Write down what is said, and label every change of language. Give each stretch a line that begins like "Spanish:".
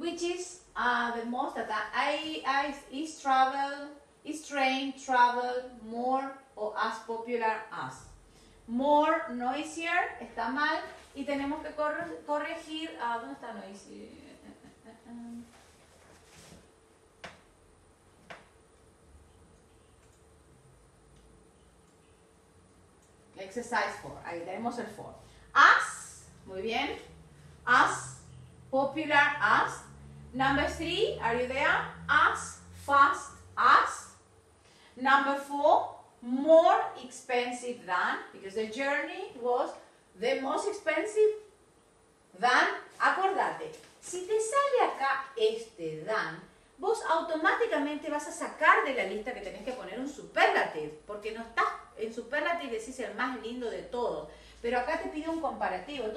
English: Which is the most that is train travel more or as popular as? More noisier,
Spanish: está mal, y tenemos que corregir, ¿dónde está noisier?
English: Exercise 4,
Spanish: ahí tenemos el 4.
English: As,
Spanish: muy bien,
English: as, popular as. Number 3, are you there? As, fast as. Number 4, more expensive than, because the journey was the most expensive than.
Spanish: Acordate, si te sale acá este than, vos automáticamente vas a sacar de la lista que tenés que poner un superlative, porque no estás en superlative, decís el más lindo de todos, pero acá te pide un comparativo.